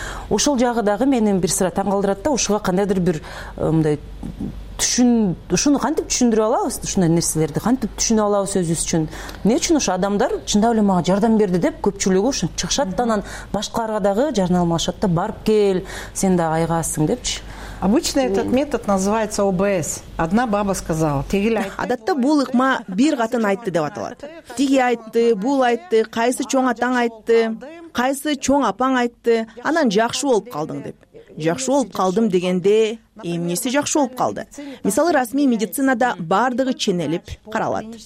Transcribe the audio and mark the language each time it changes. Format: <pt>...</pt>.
<ky>Ошол жагы дагы мени бир сыйра таң калтырат да. Ушуга кандайдыр бир мындай ушуну кантип түшүндүрө алабыз, ушундай нерселерди кантип түшүнө алабыз өзүбүз үчүн? Эмне үчүн ушу адамдар чындап эле мага жардам берди деп көпчүлүгү ушинтип чыгышат да, анан башкаларга дагы жарнамалашат да, барып кел, сен дагы айгасың депчи.</ky> <ru>Обычно этот метод называется ОБС. Одна баба сказала,</ru> <ky>тиги эле айтты. Адатта бул ыкма бир катын айтты деп аталат. Тиги айтты, бул айтты, кайсы чоң атаң айтты, кайсы чоң апаң айтты, анан жакшы болуп калдың деп. Жакшы болуп калдым дегенде эмнеси жакшы болуп калды? Мисалы, расмий медицинада бардыгы ченелип каралат.</ky>